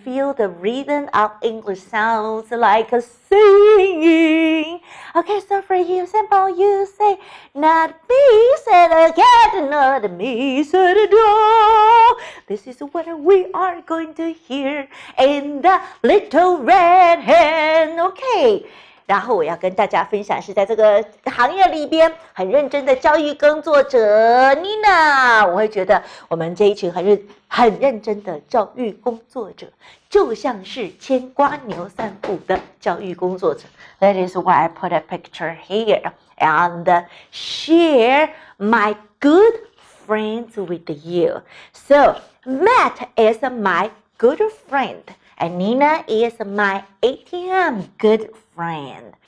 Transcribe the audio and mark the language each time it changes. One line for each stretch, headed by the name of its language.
English: Feel the rhythm of English sounds like singing. Okay, so for you, simple, you say, not me, said a cat, not me, said a dog. This is what we are going to hear in the little red hen, okay?
Chinese: 然后我要跟大家分享是在这个行业里边很认真的教育工作者 Nina， 我会觉得我们这一群很认真的教育工作者就像是牵瓜牛散步的教育工作者。
English: That is why I put a picture here and share my good friends with you. So Matt is my good friend and Nina is my ATM good friendFriend.